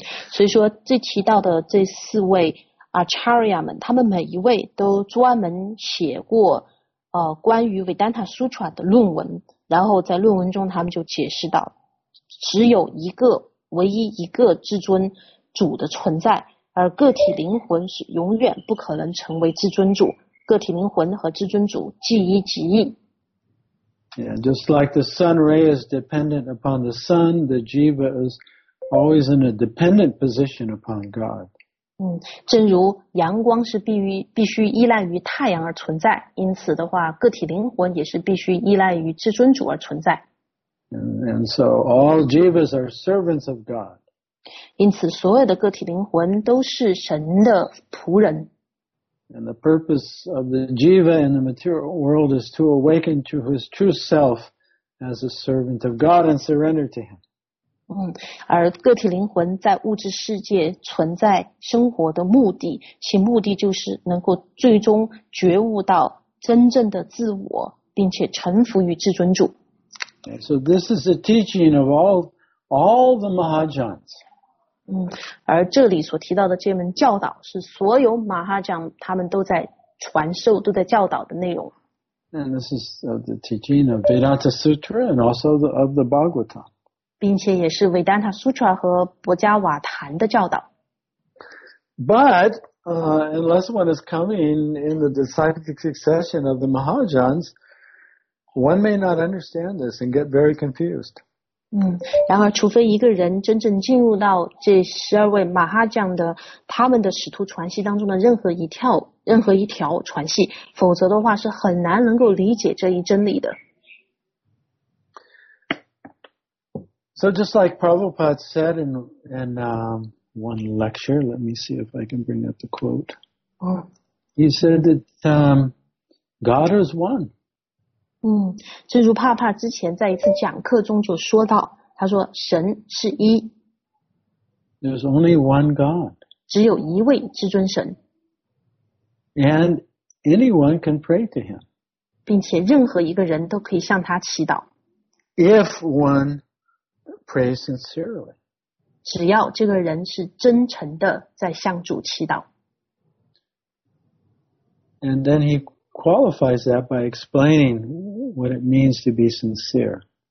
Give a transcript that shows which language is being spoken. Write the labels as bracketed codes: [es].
[zh] 所以说这提到的这四位 Acharya 们，他们每一位都专门写过关于 Vedanta Sutra 的论文，然后在论文中他们就解释到，只有一个，唯一一个至尊主的存在，而个体灵魂是永远不可能成为至尊主。个体灵魂和至尊主即一即一。 [en] Yeah, just like the sun ray is dependent upon the sun, the jiva is always in a dependent position upon God. [zh] 正如阳光是必须依赖于太阳而存在，因此的话，个体灵魂也是必须依赖于至尊主而存在。 [en] And so all jivas are servants of God. [zh] 因此，所有的个体灵魂都是神的仆人。 [en] And the purpose of the jiva in the material world is to awaken to his true self as a servant of God and surrender to him. [zh] 而个体灵魂在物质世界存在生活的目的，其目的就是能够最终觉悟到真正的自我，并且臣服于至尊主。 [en] Okay, so this is the teaching of all the Mahajans. [zh] 而这里所提到的这门教导是所有马哈将他们都在传授都在教导的内容。 [en] And this is the teaching of Vedanta Sutra and also of the Bhagavatam. [zh] 并且也是 Vedanta Sutra 和博加瓦坛的教导。 [en] But, unless one is coming in the disciplic succession of the Mahajans, one may not understand this and get very confused. [zh] 然而除非一个人真正进入到这十二位马哈将的他们的使徒传系当中的任何一条传系，否则的话是很难能够理解这一真理的。 [en] So just like Prabhupada said in one lecture, let me see if I can bring up the quote. He said that God is one. [zh] 正如帕帕之前在一次讲课中就说到，他说神是一。 [en] There's only one God. [zh] 只有一位至尊神。 [en] And anyone can pray to him. [zh] 并且任何一个人都可以向他祈祷。 [en] If one prays sincerely. [zh] 只要这个人是真诚的在向主祈祷。 [en] And then he qualifies that by explaining what it means to be sincere.